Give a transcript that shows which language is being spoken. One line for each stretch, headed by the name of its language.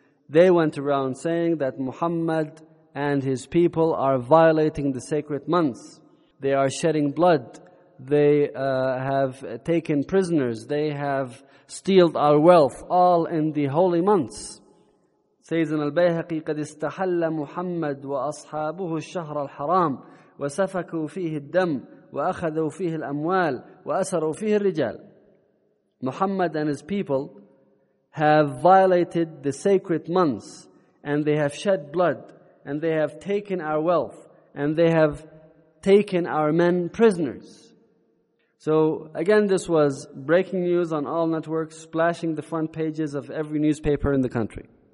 English: They went around saying that Muhammad and his people are violating the sacred months. They are shedding blood. They have taken prisoners. They have stealed our wealth, all in the holy months.
Arabic: Sayyidina al-Bayhaqi, قَدْ اسْتَحَلَّ مُحَمَّدْ وَأَصْحَابُهُ الشَّهْرَ الْحَرَامِ وَسَفَكُوا فِيهِ الدَّمْ وَأَخَذُوا فِيهِ الْأَمْوَالِ وَأَسَرُوا فِيهِ الرِّجَالِ.
English: Muhammad and his people have violated the sacred months, and they have shed blood, and they have taken our wealth, and they have taken our men prisoners. So again, this was breaking news on all networks, splashing the front pages of every newspaper in the country.